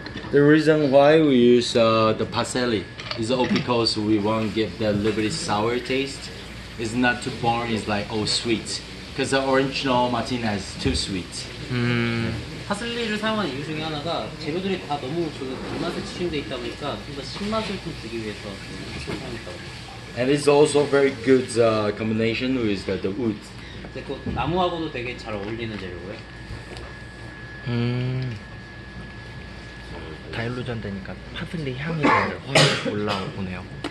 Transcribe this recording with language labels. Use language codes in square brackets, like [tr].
[en] The reason why we use the parsley is all because we want to get that little bit sour taste. It's not too boring, it's like all sweet. Because the original Martina is too sweet. [ko] Parsley를 사용하는 이유 중에 하나가 재료들이 다 너무 단맛에 치중되어 있다 보니까 좀 더 신맛을 좀 주기 위해서 사용했다고. [en] And it's also very good combination with the wood. [ko] 나무하고도 되게 잘 어울리는 재료고요. 다일루전 되니까 파슬리 향이 훨씬 올라오네요.